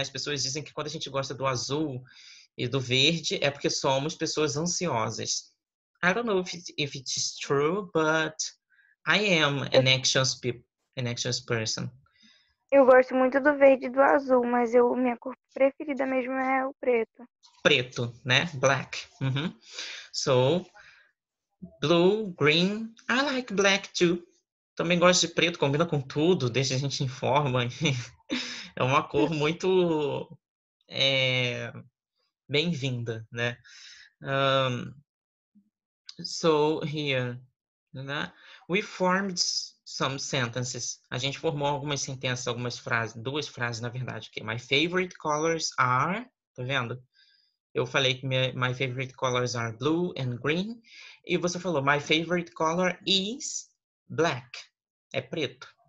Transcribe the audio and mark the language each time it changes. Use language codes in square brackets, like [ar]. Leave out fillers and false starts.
[pt] As pessoas dizem que quando a gente gosta do azul e do verde, é porque somos pessoas ansiosas. [en] I don't know if it's true, but I am an anxious person. [pt] Eu gosto muito do verde e do azul, mas minha cor preferida mesmo é o preto. Preto, né? [en] Black. Uhum. So, blue, green. I like black too. [pt] Também gosto de preto, combina com tudo, deixa a gente em forma. É uma cor muito bem-vinda, né? [en] So, here, né? We formed some sentences. [pt] A gente formou algumas sentenças, algumas frases, duas frases, na verdade. [en] Okay. My favorite colors are, [pt] tá vendo? Eu falei que [en] my favorite colors are blue and green. [pt] E você falou, [en] my favorite color is black. [pt] É preto.